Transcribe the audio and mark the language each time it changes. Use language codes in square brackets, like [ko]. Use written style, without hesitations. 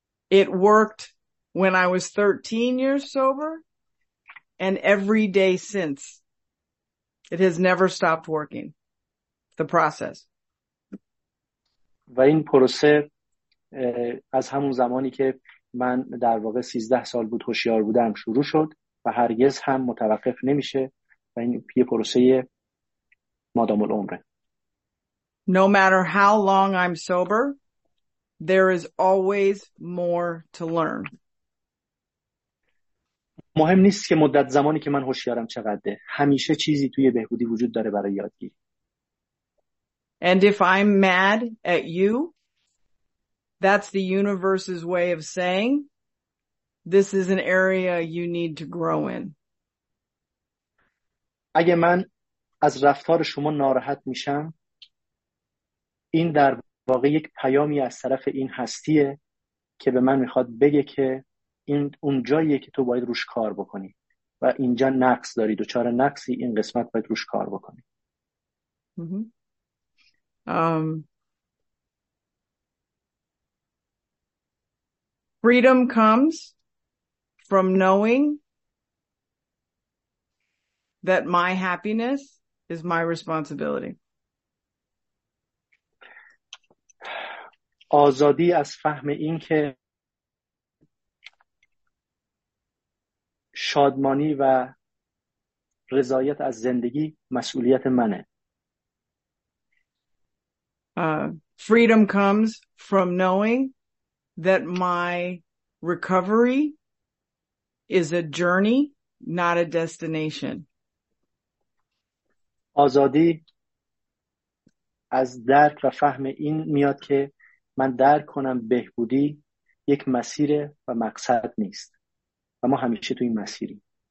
[en] It worked when I was 13 years sober and every day since. It has never stopped working. The process. [fa] و این پروسه از همون زمانی که من در واقع 13 سال بود هوشیار بودم شروع شد و هرگز هم متوقف نمیشه و این یه پروسه مادام العمره. [en] No matter how long I'm sober, there is always more to learn. [fa] مهم نیست که مدت زمانی که من هوشیارم چقدره. همیشه چیزی توی بهبودی وجود داره برای یادگیری. [en] And if I'm mad at you, that's the universe's way of saying this is an area you need to grow in. [fa] اگه من از رفتار شما ناراحت میشم، این در واقع یک پیامی از طرف این هستیه که به من میخواد بگه که این اون جاییه که تو باید روش کار بکنی و اینجا نقص داری، دوچار نقصی، این قسمت باید روش کار بکنی. [en] Freedom comes from knowing that my happiness is my responsibility. [fa] آزادی از فهم این که شادمانی و رضایت از زندگی مسئولیت منه. [en] Freedom comes from knowing that my recovery is a journey, not a destination. [fa] آزادی از درک و فهم این میاد که من درک کنم بهبودی یک مسیر و مقصد نیست و ما همیشه تو این مسیریم.